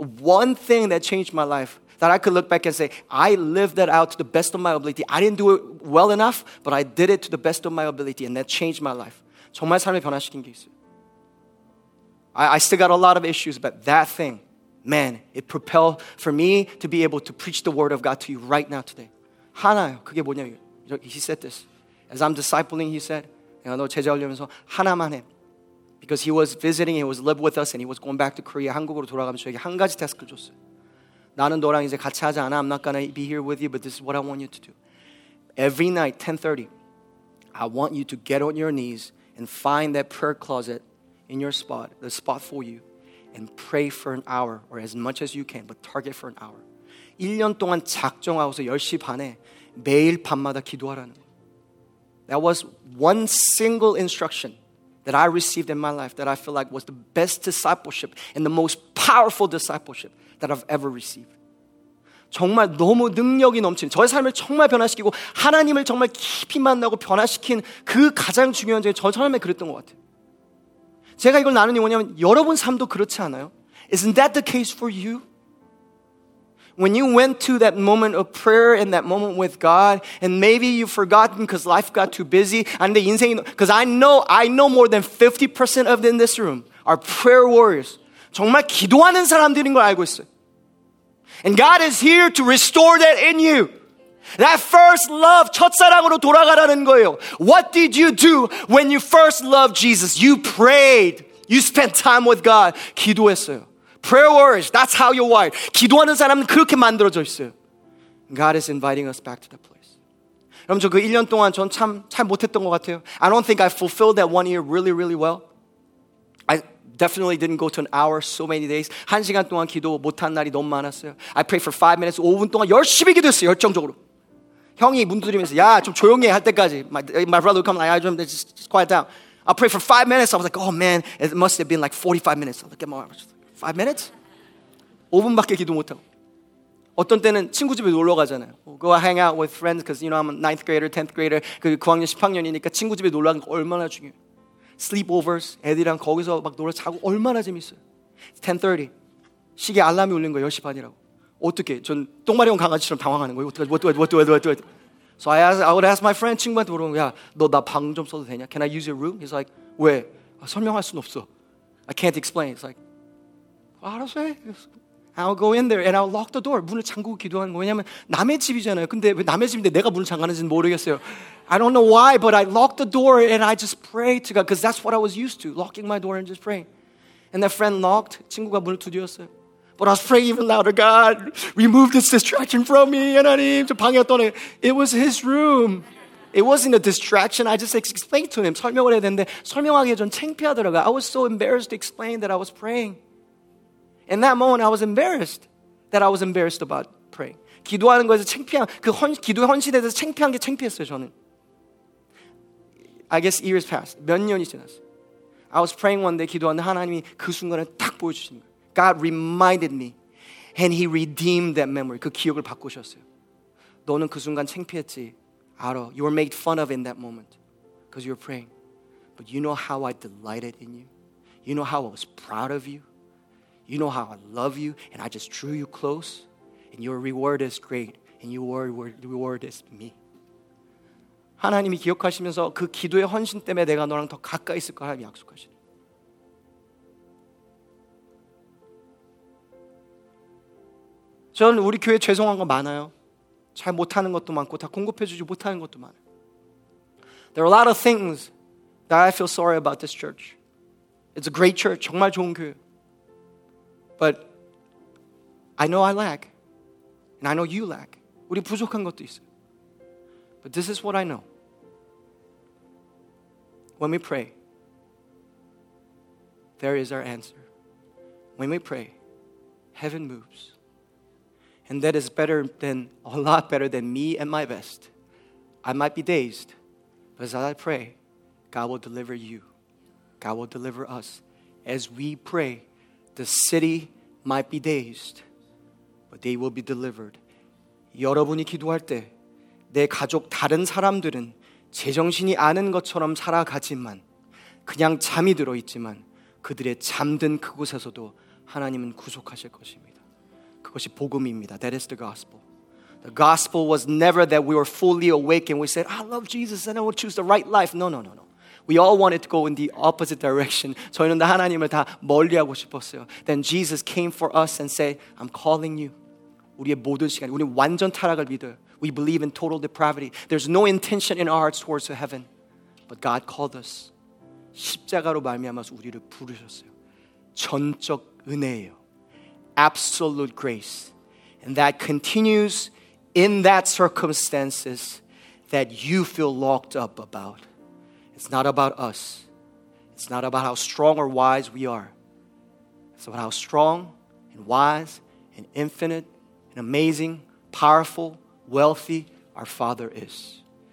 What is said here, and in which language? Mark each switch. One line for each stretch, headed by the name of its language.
English: One thing that changed my life that I could look back and say I lived that out to the best of my ability. I didn't do it well enough, but I did it to the best of my ability and that changed my life.
Korean: 정말 삶을 변화시킨 게 있어요.
English: I still got a lot of issues, but that thing, man, it propelled for me to be able to preach the word of God to you right now today.
Korean: 하나요. 그게 뭐냐면
English: he said this. As I'm discipling, he said,
Korean: 야, 너 제자 하려면서 하나만 해.
English: Because he was visiting, he was live with us, and he was going back to Korea.
Korean: 한국으로 돌아가면서 저에게 한 가지 태스크를 줬어요. 나는 너랑 이제 같이 하지 않아.
English: I'm not gonna be here with you, but this is what I want you to do. Every night, 10:30, I want you to get on your knees and find that prayer closet in your spot, the spot for you, and pray for an hour, or as much as you can, but target for an hour.
Korean: 1년 동안 작정하고서 10시 반에 매일 밤마다 기도하라는 거.
English: That was one single instruction that I received in my life that I feel like was the best discipleship and the most powerful discipleship that I've ever received.
Korean: 정말 너무 능력이 넘친 저의 삶을 정말 변화시키고 하나님을 정말 깊이 만나고 변화시킨 그 가장 중요한 점이 저 처음에 그랬던 것 같아요. 제가 이걸 나누는 게 뭐냐면 여러분 삶도 그렇지 않아요?
English: Isn't that the case for you? When you went to that moment of prayer and that moment with God, and maybe you've forgotten because life got too busy, and the insane, because I know more than 50% of them in this room are prayer warriors.
Korean: 정말 기도하는 사람들인 걸 알고 있어요.
English: And God is here to restore that in you. That first love,
Korean: 첫사랑으로 돌아가라는 거예요.
English: What did you do when you first loved Jesus? You prayed. You spent time with God.
Korean: 기도했어요.
English: Prayer warriors, that's how you're wired.
Korean: 기도하는 사람은 그렇게 만들어져 있어요.
English: God is inviting us back to that place.
Korean: 여러분, 저 그 1년 동안 전 참 잘 못했던 것 같아요.
English: I don't think I fulfilled that one year really, really well. I definitely didn't go to an hour so many days.
Korean: 한 시간 동안 기도 못한 날이 너무 많았어요.
English: I prayed for 5 minutes,
Korean: 5분 동안 열심히 기도했어요, 열정적으로. 형이 문 두드리면서, 야, 좀 조용히 해, 할 때까지.
English: My brother would come like, just quiet down. I prayed for 5 minutes. I was like, oh man, it must have been like 45 minutes. I'll get more. 5 minutes?
Korean: 5분밖에 기도 못하고 어떤 때는 친구 집에 놀러 가잖아요.
English: We'll go hang out with friends because you know I'm a 9th grader, 10th grader.
Korean: 9학년, 10학년이니까 친구 집에 놀러 가는 거 얼마나 중요해. Sleepovers, 애들이랑 거기서 막 놀아 자고 얼마나 재밌어요.
English: It's 10:30.
Korean: 시계 알람이 울린 거 10시 반이라고. 어떻게? 전 똥마리 온 강아지처럼 당황하는 거예요. 어떻게?
English: What do? So I would ask my friend
Korean: 친구한테 물어보고 야, 너 나 방 좀 써도 되냐?
English: Can I use your room? He's like,
Korean: 왜? 아, 설명할 순 없어.
English: I can't explain. It's like,
Korean: 알아서 해.
English: I'll go in there and I'll lock the door.
Korean: 문을 잠그고 기도하는 거. 왜냐면 남의 집이잖아요. 근데 왜 남의 집인데 내가 문을 잠가는지는 모르겠어요.
English: I don't know why, but I locked the door and I just prayed to God because that's what I was used to, locking my door and just praying. And that friend locked.
Korean: 친구가 문을 두드렸어요.
English: But I was praying even louder. God, remove this distraction from me.
Korean: 하나님, 저 방에 떠나.
English: It was his room. It wasn't a distraction. I just explained to him.
Korean: 설명을 해야 되는데 설명하기에 전 창피하더라고.
English: I was so embarrassed to explain that I was praying. In that moment, I was embarrassed that I was embarrassed about praying.
Korean: 기도하는 거에서 창피한, 그 헌, 기도의 헌신에 대해서 창피한 게 창피했어요, 저는.
English: I guess years passed.
Korean: 몇 년이 지났어요.
English: I was praying one day,
Korean: 기도하는데 하나님이 그 순간을 딱 보여주신 거예요.
English: God reminded me, and he redeemed that memory.
Korean: 그 기억을 바꾸셨어요. 너는 그 순간 창피했지. 알아.
English: You were made fun of in that moment because you were praying. But you know how I delighted in you? You know how I was proud of you? You know how I love you, and I just drew you close, and your reward is great, and your reward is me.
Korean: 하나님이 기억하시면서 그 기도의 헌신 때문에 내가 너랑 더 가까이 있을 거라고 약속하시네. 저는 우리 교회 죄송한 거 많아요. 잘 못하는 것도 많고 다 공급해주지 못하는 것도 많아요.
English: There are a lot of things that I feel sorry about this church. It's a great church,
Korean: 정말 좋은 교회.
English: But I know I lack, and I know you lack.
Korean: 우리 부족한 것도 있어요.
English: But this is what I know. When we pray, there is our answer. When we pray, heaven moves. And that is better than, a lot better than me at my best. I might be dazed, but as I pray, God will deliver you. God will deliver us. As we pray, the city might be dazed, but they will be delivered.
Korean: 여러분이 기도할 때 내 가족 다른 사람들은 제정신이 아닌 것처럼 살아가지만 그냥 잠이 들어 있지만 그들의 잠든 그곳에서도 하나님은 구속하실 것입니다. 그것이 복음입니다.
English: That is the gospel. The gospel was never that we were fully awake and we said, I love Jesus and I will choose the right life. No. We all wanted to go in the opposite direction.
Korean: 저희는 다 하나님을 다 멀리하고 싶었어요.
English: Then Jesus came for us and said, I'm calling you.
Korean: 우리의 모든 시간, 우리 완전 타락을 믿어요.
English: We believe in total depravity. There's no intention in our hearts towards heaven. But God called us.
Korean: 십자가로 말미암아서 우리를 부르셨어요. 전적 은혜예요.
English: Absolute grace. And that continues in that circumstances that you feel locked up about. It's not about us. It's not about how strong or wise we are. It's about how strong and wise and infinite and amazing, powerful, wealthy our Father is.